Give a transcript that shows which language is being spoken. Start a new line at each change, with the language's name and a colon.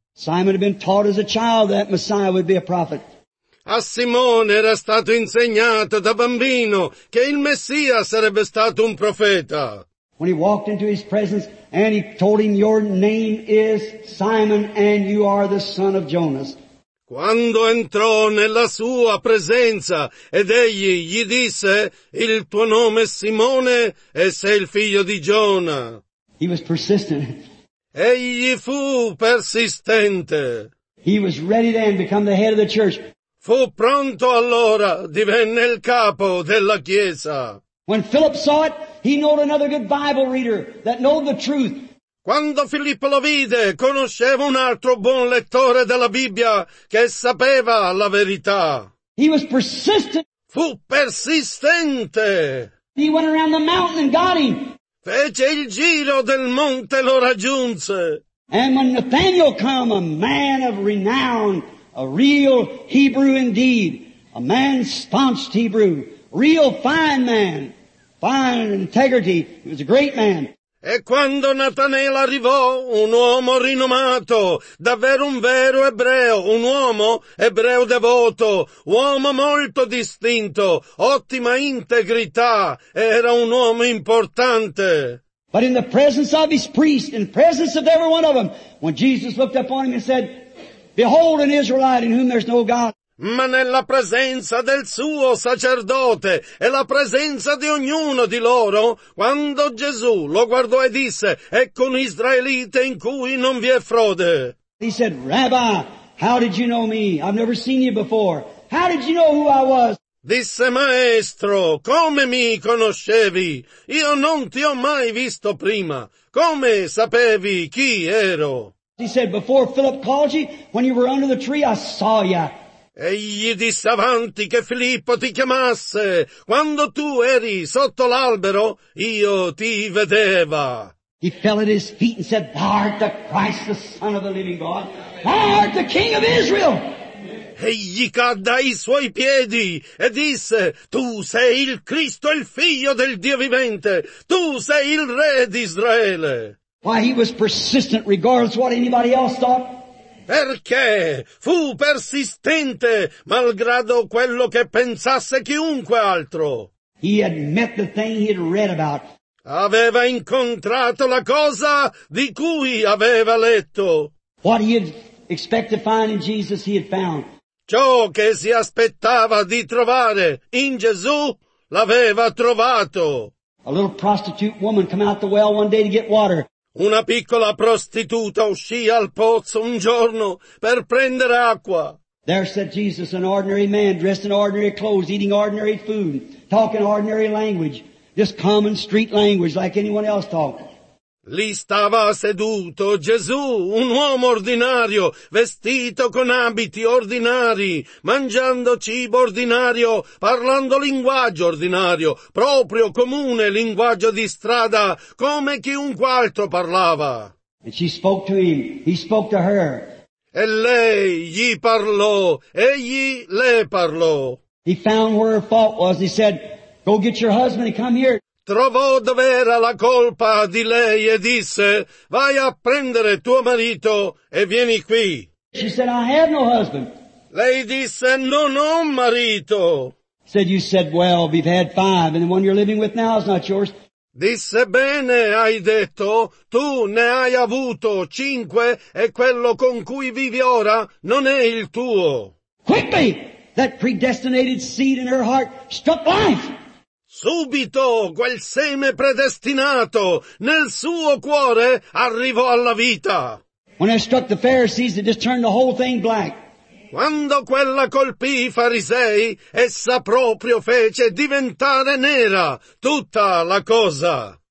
English: Simon had been taught as a child that Messiah would be a prophet.
Italian: A Simone era stato insegnato da bambino che il Messia sarebbe stato un profeta.
English: When he walked into his presence and he told him, your name is Simon and you are the son of Jonas.
Italian: Quando entrò nella sua presenza ed egli gli disse, il tuo nome è Simone e sei il figlio di Giona.
English: He was persistent.
Italian: Egli fu persistente.
English: He was ready then to become the head of the church.
Italian: Fu pronto allora, divenne il capo della chiesa.
English: When Philip saw it, he knowed another good Bible reader that knowed the truth.
Italian: Quando Filippo lo vide, conosceva un altro buon lettore della Bibbia che sapeva la verità.
English: He was persistent.
Italian: Fu persistente.
English: He went around the mountain and got him.
Italian: Fece il giro del monte e lo raggiunse.
English: And when Nathanael came, a man of renown, a real Hebrew indeed, a man staunched Hebrew, real fine man, fine integrity, he was a great man.
Italian: E quando Natanael arrivò, un uomo rinomato, davvero un vero ebreo, un uomo ebreo devoto, uomo molto distinto, ottima integrità, era un uomo importante.
English: But in the presence of his priest, in the presence of every one of them, when Jesus looked upon him and said, "Behold an Israelite in whom there's no God."
Italian: Ma nella presenza del suo sacerdote e la presenza di ognuno di loro, quando Gesù lo guardò e disse, ecco un israelite in cui non vi è frode.
English: He said, "Rabbi, how did you know me? I've never seen you before. How did you know who I was?"
Italian: Disse, maestro, come mi conoscevi? Io non ti ho mai visto prima. Come sapevi chi ero?
English: He said, "Before Philip called you, when you were under the tree, I saw you."
Italian: Egli disse avanti che Filippo ti chiamasse, quando tu eri sotto l'albero, io ti vedeva.
English: He fell at his feet and said, "Thou art the Christ, the Son of the living God. Thou art the King of Israel."
Italian: Egli cadde ai suoi piedi e disse, tu sei il Cristo, il Figlio del Dio vivente, tu sei il Re d'Israele.
English: Why, he was persistent regardless what anybody else thought.
Italian: Perché fu persistente malgrado quello che pensasse chiunque altro.
English: He had met the thing he had read about.
Italian: Aveva incontrato la cosa di cui aveva letto.
English: What he had expected to find in Jesus, he had found.
Italian: Ciò che si aspettava di trovare in Gesù l'aveva trovato.
English: A little prostitute woman came out the well one day to get water.
Italian: Una piccola prostituta uscì al pozzo un giorno per prendere acqua.
English: There sat Jesus, an ordinary man, dressed in ordinary clothes, eating ordinary food, talking ordinary language, just common street language like anyone else talked.
Italian: Lì stava seduto Gesù, un uomo ordinario, vestito con abiti ordinari, mangiando cibo ordinario, parlando linguaggio ordinario, proprio comune linguaggio di strada, come chiunque altro parlava.
English: And she spoke to him, he spoke to her.
Italian: E lei gli parlò, egli le parlò.
English: He found where her fault was, he said, "Go get your husband and come here."
Italian: Trovò dov'era la colpa di lei e disse, vai a prendere tuo marito e vieni qui.
English: She said, "I have no husband."
Italian: Lei disse, non ho marito.
English: Said, "You said, well, we've had five, and the one you're living with now is not yours."
Italian: Disse, bene, hai detto, tu ne hai avuto cinque, e quello con cui vivi ora non è il tuo.
English: Quickly, that predestinated seed in her heart struck life.
Italian: Subito quel seme predestinato nel suo cuore arrivò alla vita.
English: When it struck the Pharisees, it just turned the whole thing black.
Italian: Quando quella colpì i farisei, essa proprio fece diventare nera tutta la cosa.